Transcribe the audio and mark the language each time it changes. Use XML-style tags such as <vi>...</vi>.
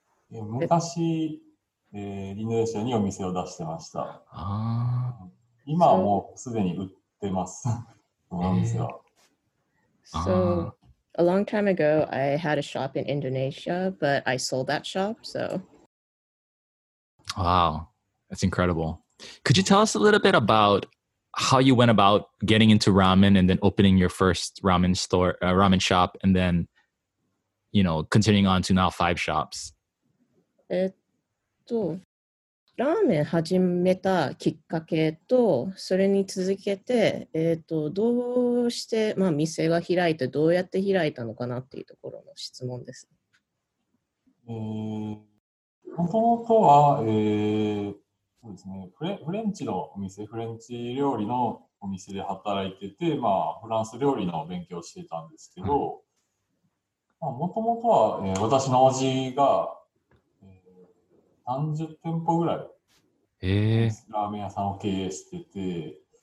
<ja>昔、インドネシアにお店を出してました。 Ah. 今はもうすでに売ってます。このお店は。</ja> <en>So, a long time ago, I had a shop in Indonesia, but I sold that shop, so... Wow, that's incredible. Could you tell us a little bit about how you went about getting into ramen and then opening your first ramen store, ramen shop, and then... You know, continuing on to now five shops.</en> <ja>ラーメン始めたきっかけと、それに続けて、どうして、まあ、店が開いて、どうやって開いたのかなっていうところの質問です。もともとは、そうですね、フレンチのお店、フレンチ料理のお店で働いてて、まあ、フランス料理の勉強をしてたんですけど、うんもともとは、私のおじが、30店舗ぐらい、ラーメン屋さんを経営してて、</ja>